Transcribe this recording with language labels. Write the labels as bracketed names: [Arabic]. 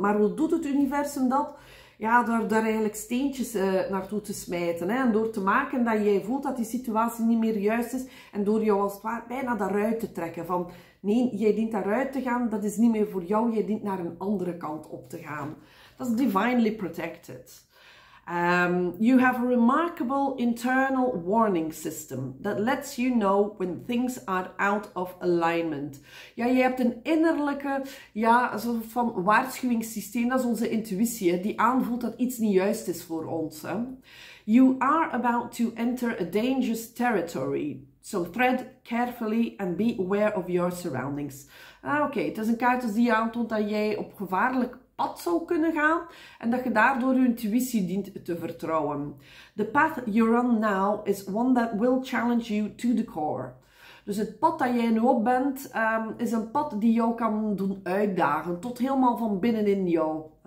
[Dutch] Maar hoe doet het universum dat? Ja, daar eigenlijk steentjes naartoe te smijten. Hè? En door te maken dat jij voelt dat die situatie niet meer juist is. En door jou als het ware bijna daaruit te trekken. Van, nee, jij dient daaruit te gaan. Dat is niet meer voor jou. Jij dient naar een andere kant op te gaan. Dat is [English] divinely protected. You have a remarkable internal warning system that lets you know when things are out of alignment. [Dutch] Ja, je hebt een innerlijke, ja, soort van waarschuwingssysteem, dat is onze intuïtie, die aanvoelt dat iets niet juist is voor ons. Hè. [English] You are about to enter a dangerous territory, so tread carefully and be aware of your surroundings. [Dutch] Oké, het is een kaart die aantoont dat jij op gevaarlijk pad zou kunnen gaan en dat je daardoor je intuïtie dient te vertrouwen. [English] The path you're on now is one that will challenge you to the core. [Dutch] Dus het pad dat jij nu op bent, is een pad die jou kan doen uitdagen, tot helemaal van binnenin jou.